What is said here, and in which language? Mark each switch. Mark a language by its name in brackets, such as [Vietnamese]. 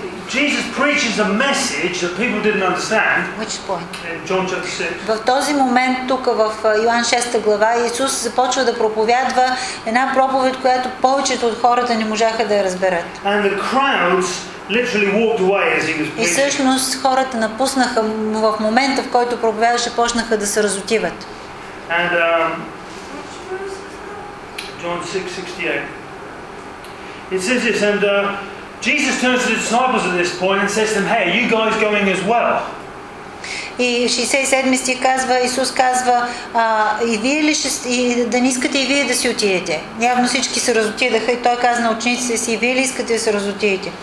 [English] Jesus preaches a message that people didn't understand. Which point? John chapter 6. [Bulgarian] В този момент тук в Йоан 6 глава Исус започва да проповядва една проповед, която повечето от хората не можаха да я разберат. [English] And the crowds literally walked away as he was preaching. [Bulgarian] И всъщност хората напуснаха в момента, в който проповядваше, почнаха да се разотиват. [English] And John 6:68. It says this, and Jesus turns to the disciples at this point and says to them, "Hey, are you guys going as well?" [Bulgarian] И 67 стих казва, Исус казва, и вие ли ще, и да не искате и вие да си отидете? Явно всички се разотидаха и той казва на учениците си, и вие ли искате да се разотидете?